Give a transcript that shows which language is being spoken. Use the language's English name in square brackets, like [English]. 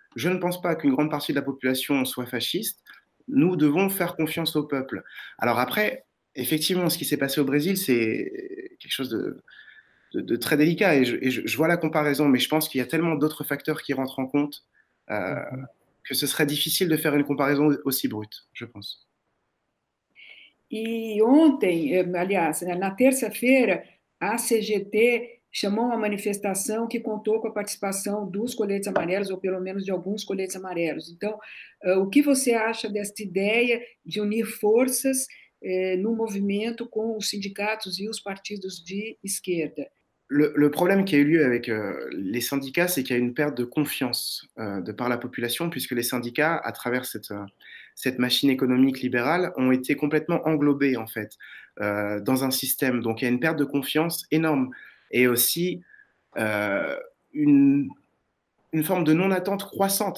[French] Je ne pense pas qu'une grande partie de la population soit fasciste. Nous devons faire confiance au peuple. Alors après, effectivement, ce qui s'est passé au Brésil, c'est quelque chose de très délicat. Et je vois la comparaison, mais je pense qu'il y a tellement d'autres facteurs qui rentrent en compte, que ce serait difficile de faire une comparaison aussi brute, je pense. [Portuguese] E ontem, aliás, né, na terça-feira, a CGT chamou uma manifestação que contou com a participação dos coletes amarelos, ou pelo menos de alguns coletes amarelos. Então, o que você acha desta ideia de unir forças, no movimento com os sindicatos e os partidos de esquerda? [French] Le problème qui a eu lieu avec les syndicats, c'est qu'il y a une perte de confiance de par la population, puisque les syndicats, à travers cette machine économique libérale, ont été complètement englobés en fait dans un système. Donc il y a une perte de confiance énorme et aussi une forme de non-attente croissante.